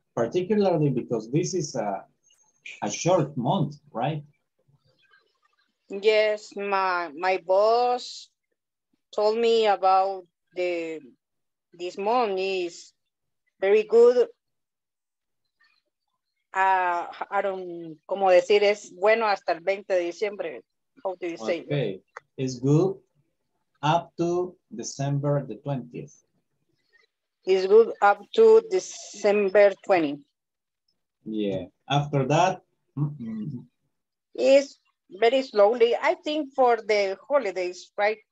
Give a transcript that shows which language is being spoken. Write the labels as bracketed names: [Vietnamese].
[English] Particularly because this is a short month, right? Yes, my boss told me about this month is very good. [Spanish] Como decir, es bueno hasta el 20 de diciembre. [English] How do you say? Okay, it's good up to December the 20th. It's good up to December 20th. Yeah, after that, is very slowly, I think, for the holidays, right?